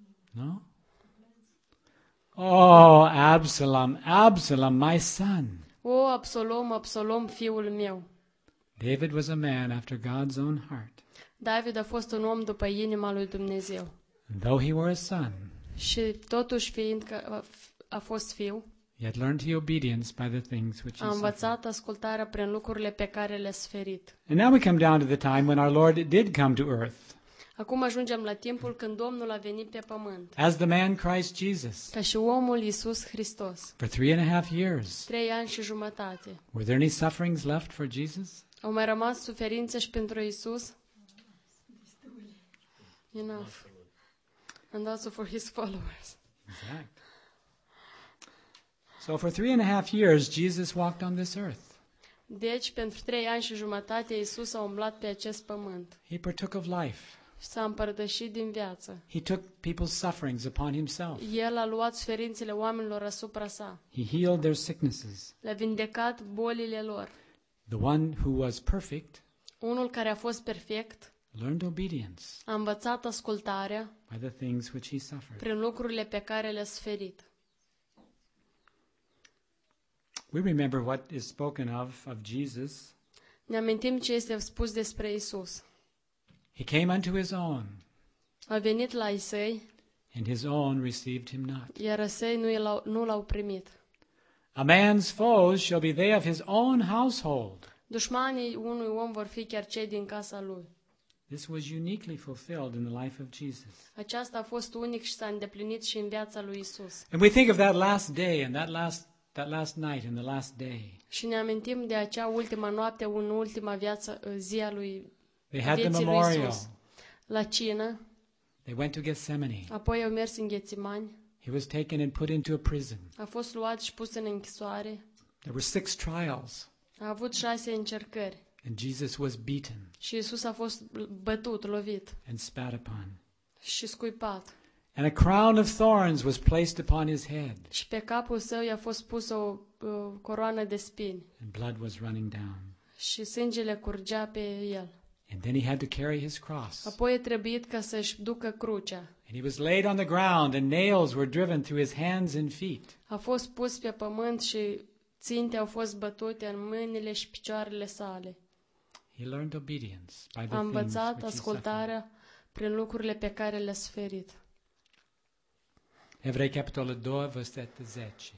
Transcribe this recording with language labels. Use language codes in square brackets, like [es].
[en] No? Oh, Absalom, Absalom, my son. [ro] Oh, Absalom, Absalom, fiul meu. [en] David was a man after God's own heart. [ro] David a fost un om după inima lui Dumnezeu. [en] And though he were a son. [ro] Și totuși fiind că a fost fiu. [en] He had learned the obedience by the things which he suffered. [ro] A învățat ascultarea prin lucrurile pe care le-a suferit. [en] And now we come down to the time when our Lord did come to earth. [ro] Acum ajungem la timpul când Domnul a venit pe pământ. [en] As the man Christ Jesus. [ro] Ca și omul Iisus Hristos. [en] For 3.5 years. [ro] 3 ani și jumătate. [en] Were there any sufferings left for Jesus? [ro] Au mai rămas suferințe și pentru Iisus? [en] Enough. And also for his followers. [ro] Exact. [en] So for 3.5 years Jesus walked on this earth. [ro] Deci pentru 3 ani și jumătate Iisus a umblat pe acest pământ. [en] He partook of life. [ro] S-a împărtășit din viață. [en] He took people's sufferings upon himself. [ro] El a luat suferințele oamenilor asupra sa. [en] He healed their sicknesses. [ro] Le-a vindecat bolile lor. [en] The one who was perfect. [ro] Unul care a fost perfect. [en] Learned obedience. [ro] A învățat ascultarea. [en] By the things which he suffered. [ro] Prin lucrurile pe care le-a suferit. [en] We remember what is spoken of Jesus. [ro] Ne amintim ce este spus despre Isus. [en] He came unto his own. [ro] A venit la ai săi. [en] And his own received him not. [ro] Iar ai săi nu l-au primit. [en] A man's foes shall be they of his own household. [ro] Dușmanii unui om vor fi chiar cei din casa lui. [en] This was uniquely fulfilled in the life of Jesus. [ro] Aceasta a fost unic și s-a îndeplinit și în viața lui Isus. [en] And we think of that last day and that last night and the last day. [ro] Și ne amintim de acea ultima noapte, în ultima viață, zi a lui Isus. [en] They had the memorial. [ro] La cină. [en] They went to Gethsemane. [ro] Apoi au mers în Ghețimani. [en] He was taken and put into a prison. [ro] A fost luat și pus în închisoare. [en] There were 6 trials. [ro] A avut 6 încercări. [en] And Jesus was beaten. [ro] Și Isus a fost bătut, lovit. [en] And spat upon. [ro] Și scuipat. [en] And a crown of thorns was placed upon his head. [ro] Și pe capul său i-a fost pusă o coroană de spini. [en] And blood was running down. [ro] Și sângele curgea pe el. [en] And then he had to carry his cross. [ro] Apoi a trebuit ca să-și ducă crucea. [en] And he was laid on the ground and nails were driven through his hands and feet. [ro] A fost pus pe pământ și ținte au fost bătute în mâinile și picioarele sale. [en] He learned obedience by the things. [ro] A învățat ascultarea prin lucrurile pe care le-a suferit. Evrei capitolul 2, versetul 10.